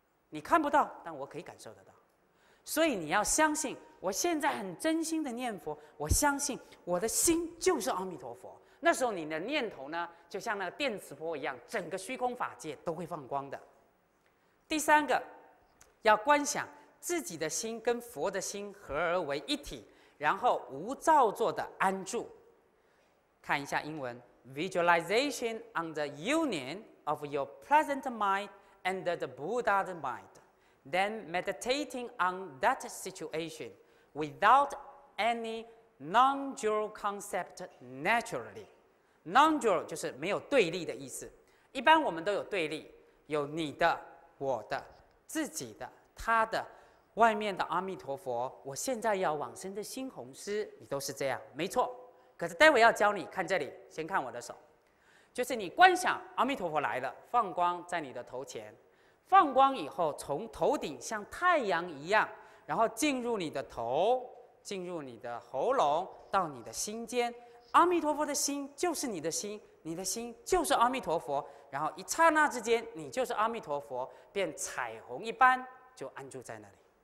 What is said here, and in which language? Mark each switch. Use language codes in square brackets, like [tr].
[zh] 你看不到，但我可以感受得到。所以你要相信，我现在很真心的念佛，我相信我的心就是阿弥陀佛。那时候你的念头呢，就像那个电磁波一样，整个虚空法界都会放光的。第三个，要观想自己的心跟佛的心合而为一体，然后无造作的安住。看一下英文 [en] ，Visualization on the union of your present mind and the Buddha's mind, then meditating on that situation without any non-dual concept naturally. [zh] Non-dual 就是没有对立的意思。一般我们都有对立，有你的、我的、自己的、他的。外面的阿弥陀佛，我现在要往生的新弘师，你都是这样，没错。可是待会要教你，看这里，先看我的手，就是你观想阿弥陀佛来了，放光在你的头前，放光以后从头顶像太阳一样，然后进入你的头，进入你的喉咙，到你的心间，阿弥陀佛的心就是你的心，你的心就是阿弥陀佛，然后一刹那之间，你就是阿弥陀佛，便彩虹一般就安住在那里。